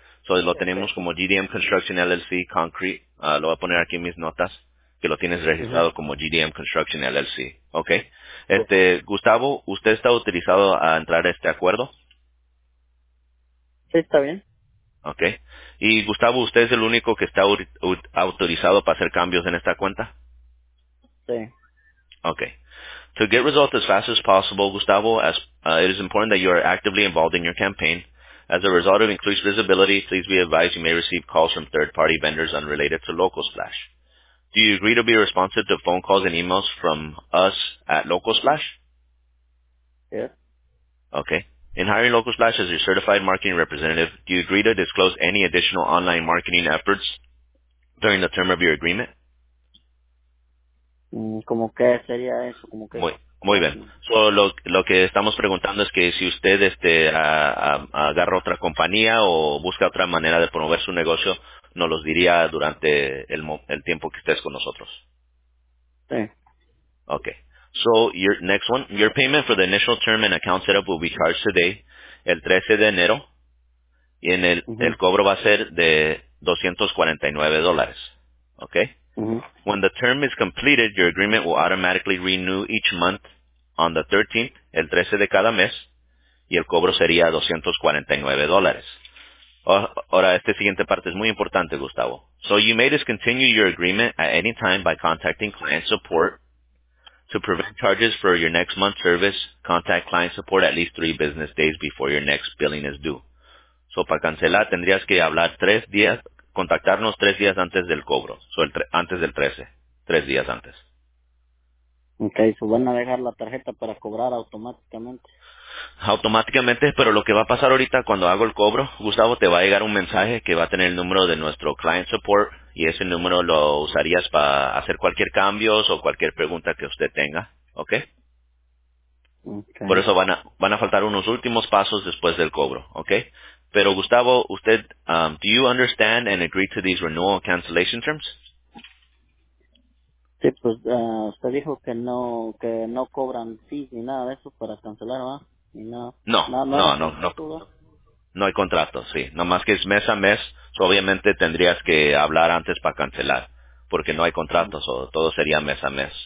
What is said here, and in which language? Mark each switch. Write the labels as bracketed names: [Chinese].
[Spanish] Entonces lo tenemos como GDM Construction LLC Concrete. Lo voy a poner aquí en mis notas, que lo tienes registrado como GDM Construction LLC. Ok. Gustavo, ¿usted está autorizado a entrar a este acuerdo? Sí, está bien. Ok. Y Gustavo, ¿usted es el único que está autorizado para hacer cambios en esta cuenta? Sí. Ok. [English] To get results as fast as possible, Gustavo, it is important that you are actively involved in your campaign. As a result of increased visibility, please be advised you may receive calls from third-party vendors unrelated to LocalSplash. Do you agree to be responsive to phone calls and emails from us at LocalSplash? Yeah. Okay. In hiring LocalSplash as your certified marketing representative, do you agree to disclose any additional online marketing efforts during the term of your agreement? [Spanish] ¿Cómo que sería eso? ¿Cómo que? Muy bien. So, lo que estamos preguntando es que si usted agarra otra compañía o busca otra manera de promover su negocio, nos los diría durante el tiempo que estés con nosotros. Sí. [English] Okay. So, your next one. Your payment for the initial term and account setup will be charged today, [Spanish] el 13 de enero, y en el el cobro va a ser de $249. [English] Okay. When the term is completed, your agreement will automatically renew each month on the 13th, [Spanish] el 13 de cada mes, y el cobro sería $249. Ahora, esta siguiente parte es muy importante, Gustavo. [English] So you may discontinue your agreement at any time by contacting client support. To prevent charges for your next month's service, contact client support at least 3 business days before your next billing is due. [Spanish] So para cancelar, tendrías que hablar 3 días. Contactarnos 3 días antes del cobro, antes del 13, 3 días antes. Ok, ¿so van a dejar la tarjeta para cobrar automáticamente? Automáticamente, pero lo que va a pasar ahorita cuando hago el cobro, Gustavo, te va a llegar un mensaje que va a tener el número de nuestro client support y ese número lo usarías para hacer cualquier cambio o cualquier pregunta que usted tenga, ¿ok? Okay. Por eso van a faltar unos últimos pasos después del cobro, ¿ok? Pero, Gustavo, usted, [English] do you understand and agree to these renewal cancellation terms? [Spanish] Sí, pues, usted dijo que no cobran fees ni nada de eso para cancelar, ¿verdad? No hay contrato, sí. Nomás que es mes a mes, obviamente tendrías que hablar antes para cancelar, porque no hay contratos, o todo sería mes a mes.